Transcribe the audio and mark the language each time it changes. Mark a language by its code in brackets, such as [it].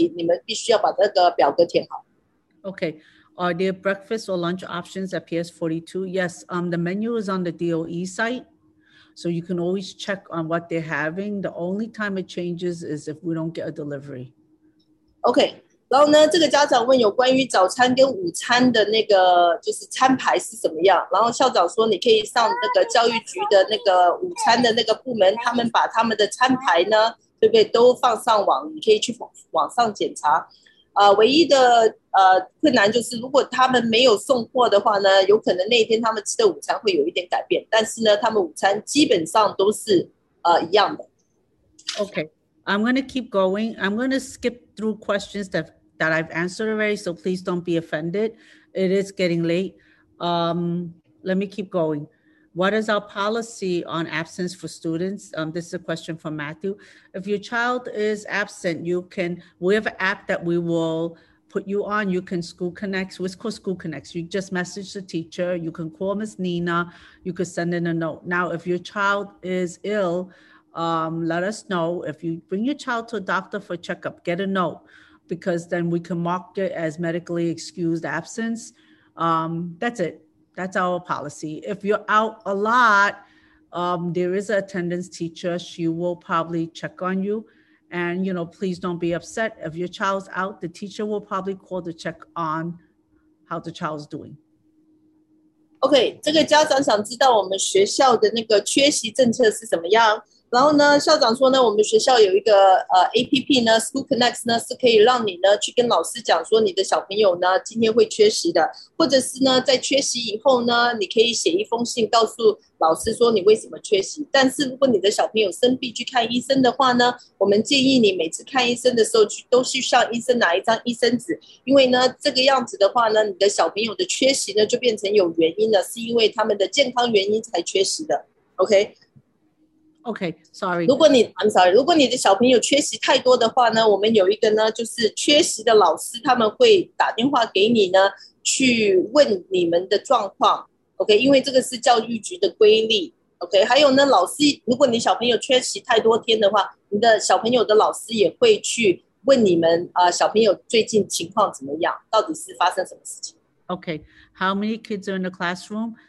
[zh] 让你们要的那些大人来接没有问题，你们必须要把那个表格填好。Okay, [en] are there breakfast or lunch options at PS42? Yes, the menu is on the DOE site, so you can always check on what they're having. The only time it changes is if we don't get a delivery. [zh] Okay, 然后呢，这个家长问有关于早餐跟午餐的那个，就是餐牌是什么样？然后校长说，你可以上那个教育局的那个午餐的那个部门，他们把他们的餐牌呢，对不对，都放上网，你可以去网上检查。唯一的困难就是，如果他们没有送货的话呢，有可能那天他们吃的午餐会有一点改变，但是呢，他们午餐基本上都是一样的。Okay. [en] I'm going to keep going. I'm going to skip through questions that I've answered already, so please don't be offended. It is getting late. Let me keep going. What is our policy on absence for students? This is a question from Matthew. If your child is absent, we have an app that we will put you on. You can school connects. What's called school connects? You just message the teacher. You can call Miss Nina. You could send in a note. Now, if your child is ill, let us know. If you bring your child to a doctor for a checkup, get a note, because then we can mark it as medically excused absence. That's it. That's our policy. If you're out a lot, there is an attendance teacher. She will probably check on you. And, you know, please don't be upset. If your child's out, the teacher will probably call to check on how the child's doing. [zh] OK, 这个家长想知道我们学校的那个缺席政策是怎么样。然后呢，校长说呢，我们学校有一个APP 呢 ，School Connects 呢，是可以让你呢去跟老师讲说你的小朋友呢今天会缺席的，或者是呢在缺席以后呢，你可以写一封信告诉老师说你为什么缺席。但是如果你的小朋友生病去看医生的话呢，我们建议你每次看医生的时候都去向医生拿一张医生纸，因为呢这个样子的话呢，你的小朋友的缺席呢就变成有原因了，是因为他们的健康原因才缺席的。 OK。 [en] Okay, sorry. [zh] 如果你 [en] I'm sorry. [zh] 如果你的小朋友缺席太多的话呢，我们有一个呢，就是缺席的老师，他们会打电话给你呢，去问你们的状况。 Okay, 因为这个是教育局的规例。Okay, 还有呢，老师，如果你小朋友缺席太多天的话，你的小朋友的老师也会去问你们小朋友最近情况怎么样，到底是发生什么事情。 [en] Okay, how many kids are in the classroom?